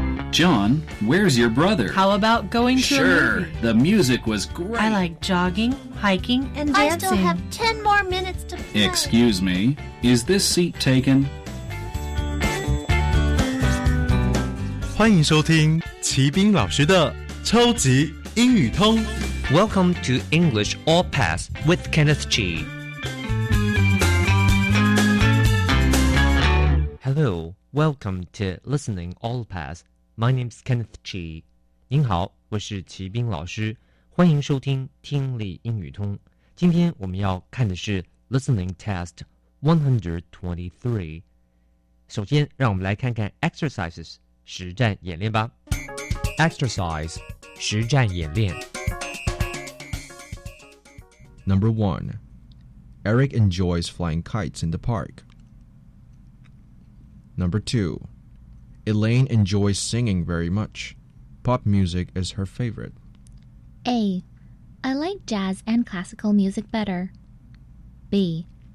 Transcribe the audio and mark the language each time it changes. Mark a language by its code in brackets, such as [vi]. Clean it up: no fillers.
[en] John, where's your brother? How about going to a movie? Sure, the music was great. I like jogging, hiking, and dancing. I still have 10 more minutes to play. Excuse me, is this seat taken? [zh] 欢迎收听齐宾老师的超级英语通。 [en] Welcome to English All Pass with Kenneth Chi. Hello, welcome to Listening All Pass. My name is Kenneth Chi. [zh] 您好，我是齐宾老师，欢迎收听听力英语通。今天我们要看的是 Listening Test 123。首先，让我们来看看 Exercises 实战演练吧。 Exercise 实战演练。 [en] Number 1. Eric enjoys flying kites in the park. Number 2. Elaine enjoys singing very much. Pop music is her favorite. A. I like jazz and classical music better. B.